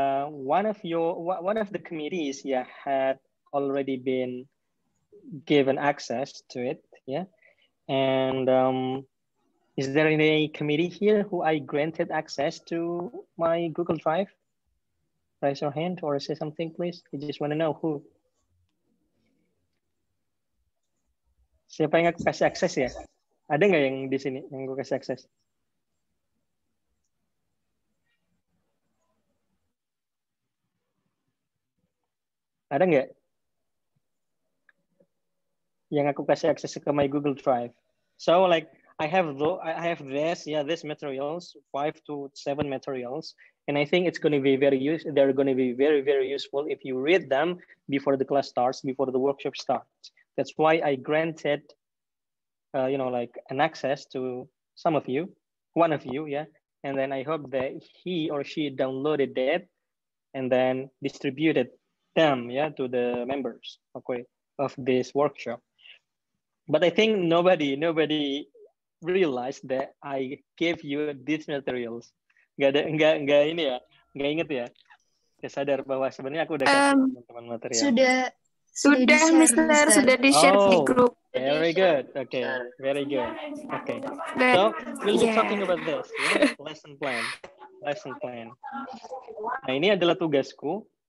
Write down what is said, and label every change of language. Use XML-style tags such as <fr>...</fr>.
<en>One of the committees, yeah, had already been given access to it, yeah. And is there any committee here who I granted access to my Google Drive? Raise your hand or say something, please. I just want to know who.</en> <id>Siapa yang aku kasih akses ya? Ada nggak yang di sini yang aku kasih akses? Ada nggak? Yang aku kasih akses ke</id> <en>my Google Drive. So like I have this, yeah, this materials, 5 to 7 materials, and I think it's going to be very useful. They're going to be very, very useful if you read them before the class starts, before the workshop starts. That's why I granted, an access to some of you, one of you, yeah, and then I hope that he or she downloaded it and then distributed them, yeah, to the members, okay, of this workshop. But I think nobody realized that I gave you these materials.</en> <id>Gak inget ya. Gak sadar bahwa sebenarnya aku udah kasih teman-teman material. Sudah, Mister. Sudah di share di grup.</id> <en>Very good. Okay. Very good. Okay. But, so we'll be talking about this. Yeah?</en> <id>Lesson plan. Nah ini adalah tugasku.</id>